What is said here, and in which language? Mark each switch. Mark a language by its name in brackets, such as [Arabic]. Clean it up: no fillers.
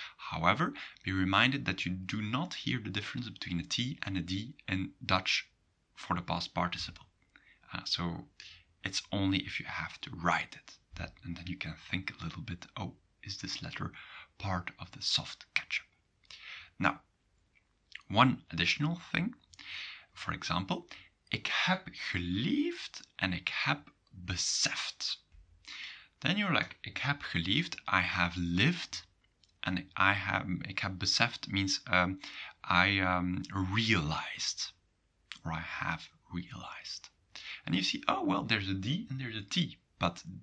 [English] However, be reminded that you do not hear the difference between a T and a D in Dutch for the past participle. So it's only if you have to write it that, and then you can think a little bit, oh, is this letter part of the soft ketchup? Now, one additional thing. For example, [Dutch] ik heb geleefd [English] and [Dutch] ik heb beseft. [English] Then you're like, [Dutch] ik heb geleefd, [English] I have lived, and [Dutch] ik heb beseft [English] means realized, or I have realized. And you see, oh, well, there's a D and there's a T, but